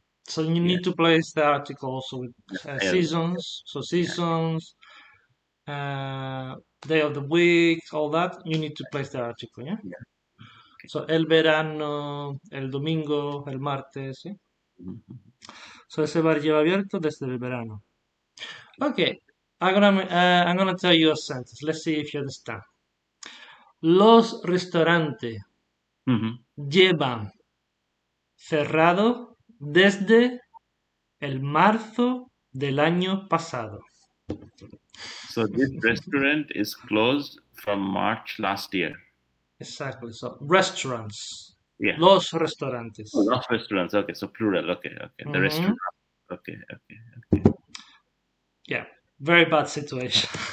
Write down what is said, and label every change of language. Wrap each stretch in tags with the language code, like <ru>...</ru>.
<en>So you need to place the article also with seasons. So seasons, day of the week, all that. You need to place the article, yeah? Yeah. Okay.</en> <es>So el verano, el domingo, el martes, ¿sí? So ese bar lleva abierto desde el verano.</es> <en>Okay, I'm gonna tell you a sentence. Let's see if you understand.</en> <es>Los restaurantes llevan cerrado desde el marzo del año pasado.</es> <en>So this restaurant is closed from March last year. Exactly. So restaurants, Yeah.</en> <es>los</es> <en>Oh,</en> <es>restaurantes.</es> <en>not restaurants. Okay, so plural. Okay. The restaurant. Yeah, very bad situation.</en>